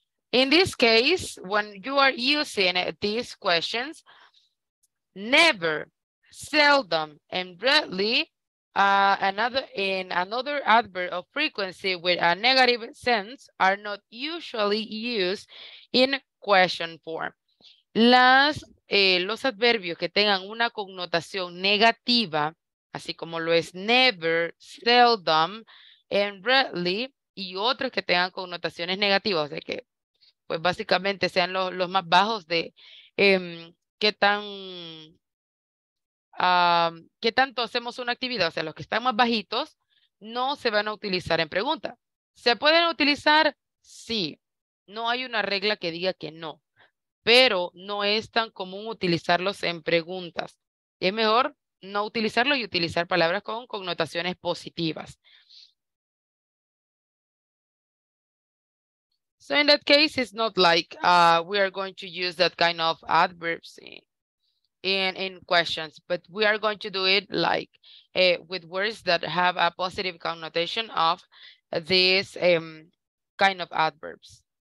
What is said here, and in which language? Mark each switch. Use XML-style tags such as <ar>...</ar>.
<en>In this case, when you are using these questions, never, seldom, and rarely, another adverb of frequency with a negative sense are not usually used in question form.</en> <es>Los adverbios que tengan una connotación negativa, así como lo es</es> <en>never, seldom, and rarely,</en> <es>y otros que tengan connotaciones negativas, de que pues básicamente sean los más bajos de qué tanto hacemos una actividad, o sea, los que están más bajitos, no se van a utilizar en pregunta. ¿Se pueden utilizar? Sí. No hay una regla que diga que no, pero no es tan común utilizarlos en preguntas. Es mejor no utilizarlos y utilizar palabras con connotaciones positivas.</es> <en>So in that case, it's not like we are going to use that kind of adverbs in questions, but we are going to do it like with words that have a positive connotation of this kind of adverbs.</en>